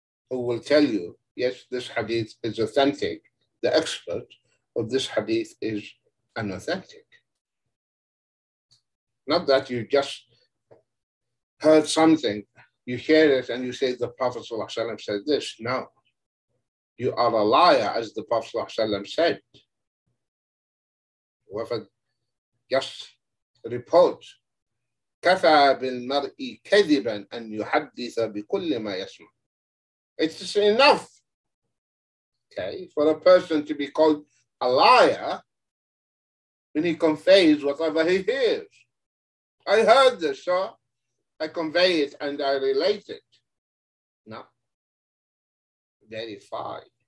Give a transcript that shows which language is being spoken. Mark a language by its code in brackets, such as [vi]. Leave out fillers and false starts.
[en] Who will tell you, yes, this hadith is authentic. The expert of this hadith is unauthentic. Not that you just heard something, you hear it and you say the Prophet ﷺ said this. No, you are a liar, as the Prophet ﷺ said. Whoever just reports, [ar] كَفَى بِالْمَرْءِ كَذِبًا أَنْ يُحَدِّثَ بِكُلِّ مَا يَسْمَعُ. [en] It's enough, okay, for a person to be called a liar when he conveys whatever he hears. I heard this, so I convey it and I relate it. No, verify.